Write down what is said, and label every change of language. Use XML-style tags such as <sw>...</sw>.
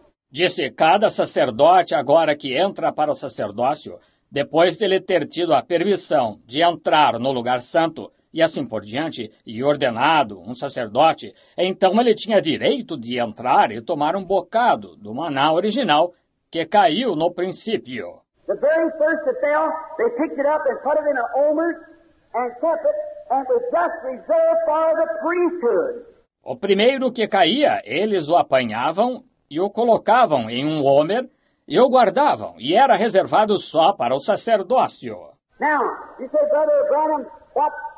<pt>Disse, cada sacerdote agora que entra para o sacerdócio, depois de ele ter tido a permissão de entrar no lugar santo, e assim por diante, e ordenado um sacerdote, então ele tinha direito de entrar e tomar um bocado do maná original que caiu no princípio.</pt> <en>The very first that fell, they picked it up and put it in an omer and kept it, and it was just reserved for the priesthood.</en> <pt>O primeiro que caía, eles o apanhavam e o colocavam em um omer e o guardavam, e era reservado só para o sacerdócio.</pt> <en>Now, you say, Brother Branham, what</en>